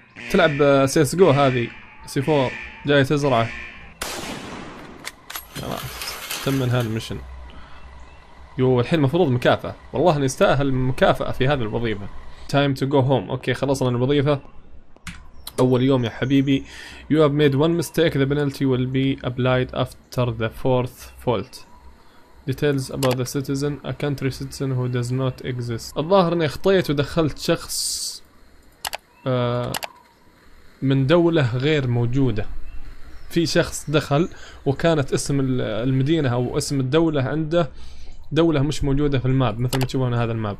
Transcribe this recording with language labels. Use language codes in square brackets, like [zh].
[ar] تلعب سيس جو هذه سي فور، جاي تزرعه. خلاص تم من هالمشن. يوه الحين المفروض مكافاه. والله نستاهل مكافاه في هذه الوظيفه. [en] Time to go home. [ar] اوكي خلصنا الوظيفه أول يوم يا حبيبي. [en] You have made one mistake. The penalty will be applied after the fourth fault. Details about the citizen. A country citizen who does not exist. [ar] الظاهر أني أخطيت ودخلت شخص من دولة غير موجودة. في شخص دخل وكانت اسم المدينة أو اسم الدولة عنده دولة مش موجودة في الماب، مثل ما تشوفون هذا الماب.